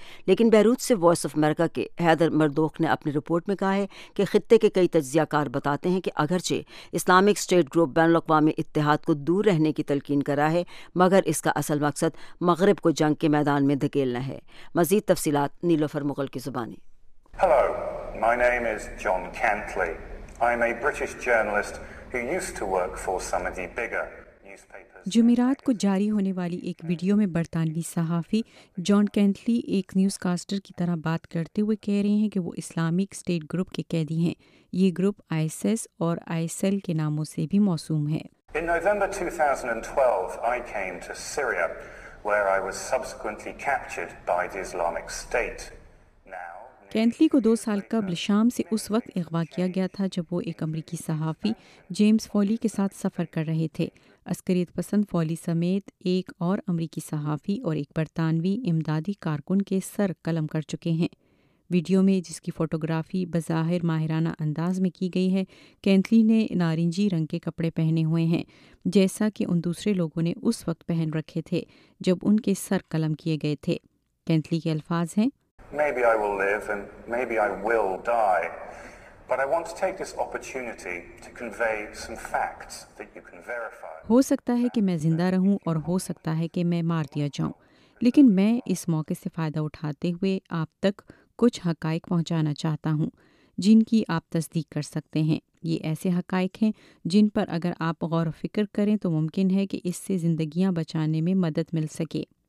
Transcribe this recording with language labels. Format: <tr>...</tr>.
<ur>لیکن بیروت سے voice of America کے حیدر مردوخ نے اپنی رپورٹ میں کہا ہے کہ خطے کے کئی تجزیہ کار بتاتے ہیں کہ اگرچہ اسلامک اسٹیٹ گروپ بین الاقوامی اتحاد کو دور رہنے کی تلقین کر رہا ہے, مگر اس کا اصل مقصد مغرب کو جنگ کے میدان میں دھکیلنا ہے. مزید تفصیلات نیلوفر مغل کی زبانی.</ur> <en>Hello, my name is John Cantley. I'm a British journalist who used to work for some of the bigger newspapers.</en> <ur>جمعرات کو جاری ہونے والی ایک ویڈیو میں برطانوی صحافی جان کینٹلی ایک نیوز کاسٹر کی طرح بات کرتے ہوئے کہہ رہے ہیں کہ وہ اسلامک اسٹیٹ گروپ کے قیدی ہیں. یہ گروپ آئی ایس ایس اور آئی ایس ایل کے ناموں سے بھی موسوم ہے.</ur> <en>In November 2012, I came to Syria, where I was subsequently captured by the Islamic State.</en> <ur>کینٹلی کو 2 سال قبل شام سے اس وقت اغوا کیا گیا تھا جب وہ ایک امریکی صحافی جیمز فولی کے ساتھ سفر کر رہے تھے. عسکریت پسند فولی سمیت ایک اور امریکی صحافی اور ایک برطانوی امدادی کارکن کے سر قلم کر چکے ہیں. ویڈیو میں جس کی فوٹوگرافی بظاہر ماہرانہ انداز میں کی گئی ہے, کینٹلی نے نارنجی رنگ کے کپڑے پہنے ہوئے ہیں جیسا کہ ان دوسرے لوگوں نے اس وقت پہن رکھے تھے جب ان کے سر قلم کیے گئے تھے. کینٹلی کے الفاظ ہیں,</ur> <en>Maybe I will live and maybe I will die, but I want to take this opportunity to convey some facts that you can verify.</en> <ur>ہو سکتا ہے کہ میں زندہ رہوں اور ہو سکتا ہے کہ میں مار دیا جاؤں, لیکن میں اس موقع سے فائدہ اٹھاتے ہوئے آپ تک کچھ حقائق پہنچانا چاہتا ہوں جن کی آپ تصدیق کر سکتے ہیں. یہ ایسے حقائق ہیں جن پر اگر آپ غور و فکر کریں تو ممکن ہے کہ اس سے زندگیاں بچانے میں مدد مل سکے.</ur>